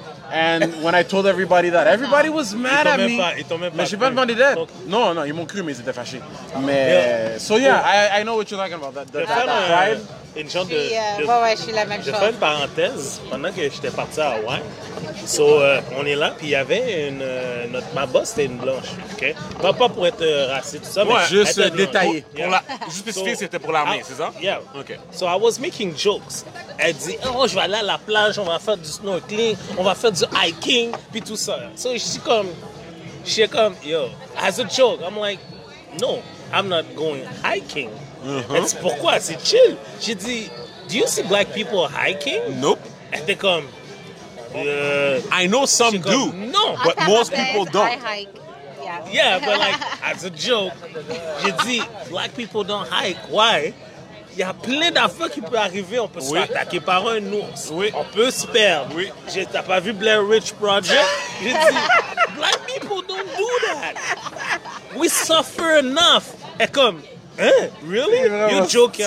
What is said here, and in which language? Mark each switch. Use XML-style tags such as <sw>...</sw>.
<en>And when I told everybody that, everybody was mad at me.</en> <fr>Mais j'ai pas demandé d'aide. Non, ils m'ont cru, mais ils étaient fâchés.</fr> <en>I know what you're talking about.</en> <fr>Je suis la même chose. Je fais une parenthèse pendant que j'étais parti à Hawaii. So, on est là, puis il y avait une. Ma boss était une blanche. Okay? Pas pour être raciste, tout ça, ouais, mais juste détaillé. Juste spécifier, c'était pour l'armée, c'est ça?</fr> <en>Yeah. Okay. So, I was making jokes.</en> <fr>Elle dit, je vais aller à la plage, on va faire du snorkeling, on va faire du hiking, puis tout ça.</fr> <en>So,</en> <fr>je suis comme,</fr> <en>yo, as a joke, I'm like, no, I'm not going hiking. Mm-hmm.</en> <fr>Elle dit, pourquoi? C'est chill. J'ai dit,</fr> <en>do you see black people hiking? Nope. And they come. I know some do. No, but most people don't. Yeah, but like as a joke, you see, black people don't hike. Why?</en> <fr>Il y a plein d'affaires qui peuvent arriver. On peut se faire attaquer par un ours. Oui. On peut se perdre. Oui. T'as pas vu Blair Witch Project? J'ai dit,</fr> <en>black people don't do that. We suffer enough.</en> <fr>Et comme, hein?</fr> <en>Really? You're joking.</en>